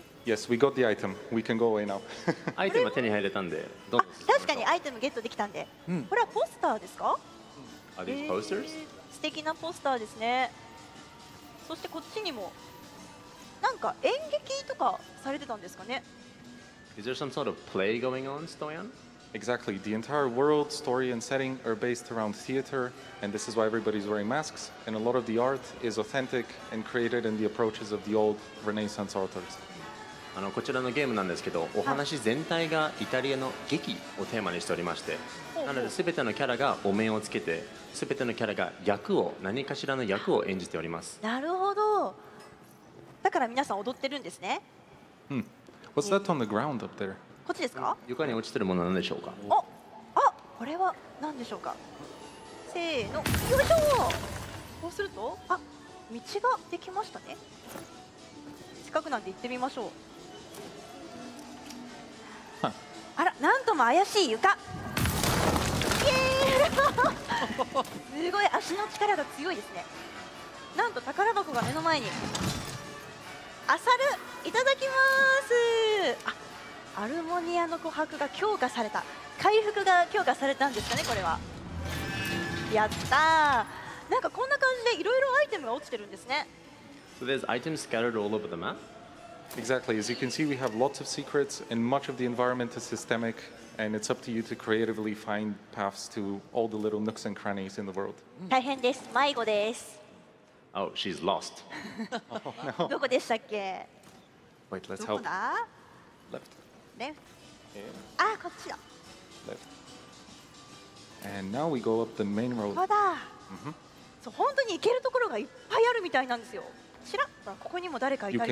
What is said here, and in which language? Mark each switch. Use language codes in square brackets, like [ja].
[en] Yes, we got the item. We can go away now. [ja] アイテムは手に入れたんで。どうぞ。あ、確かにアイテムゲットできたんで。うん、これはポスターですか？ [en] Are these posters? [ja] 素敵なポスターですね。そしてこっちにも。なんか演劇とかされてたんですかね。 [en] Is there some sort of play going on, Stoyan? Exactly. The entire world, story, and setting are based around theater, and this is why everybody's wearing masks. And a lot of the art is authentic and created in the approaches of the old Renaissance authors. [ja] あのこちらのゲームなんですけど、お話全体がイタリアの劇をテーマにしておりまして、なので全てのキャラがお面をつけて、全てのキャラが役を何かしらの役を演じております。なるほど。だから皆さん踊ってるんですね。 [en] What's that on the ground up there? [ja] こっちですか？床に落ちてるものなんでしょうか？お、あ、これは何でしょうか？せーの、よいしょ！こうすると、あ、道ができましたね。近くなんで行ってみましょう。 Huh. あら、なんとも怪しい床。イエーイ！すごい足の力が強いですね。なんと宝箱が目の前に。アサル、いただきます。あ、アルモニアの琥珀が強化された、回復が強化されたんですかね、これは。やったー。なんかこんな感じでいろいろアイテムが落ちてるんですね。 [en] So there's items scattered all over the map? Exactly, as you can see we have lots of secrets and much of the environment is systemic and it's up to you to creatively find paths to all the little nooks and crannies in the world. [ja] 大変です、迷子です。 [en] Oh, she's lost. Oh, no. [ja] どこでしたっけ？ [en] Wait, let's help. [ja] どこだ？ [en] Left. Left. Yeah. [ja] あ、こっちだ。 [en] Left. And now we go up the main road. [ja] ここだ。Mm-hmm. そう、本当に行けるところがいっぱいあるみたいなんですよ。ちらっ、ここにも誰かいたり。